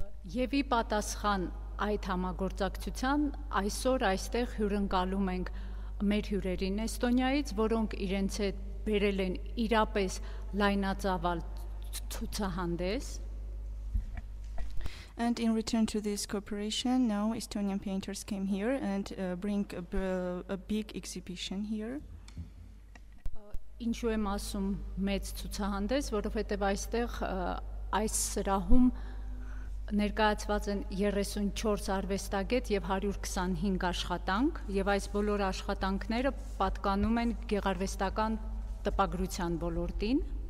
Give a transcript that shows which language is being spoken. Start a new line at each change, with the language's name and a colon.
Armenian: Եվ ի պատասխան այդ համագործակցության այսօր այստեղ հյուրընկալում ենք մեր հյուրերին Էստոնիայից, որոնք իրենց հետ բերել են իրապես լայնածավալ ցուցահանդես.
English: And in return to this cooperation, now Estonian painters came here and bring a big exhibition here.
Armenian: Ինչու եմ ասում մեծ ցուցահանդես, որովհետև այստեղ այս սրահում ներկայացված են 34 արվեստագետ եւ 125 աշխատանք, եւ այս բոլոր աշխատանքները պատկանում են գեղարվեստական տպագրության ոլորտին.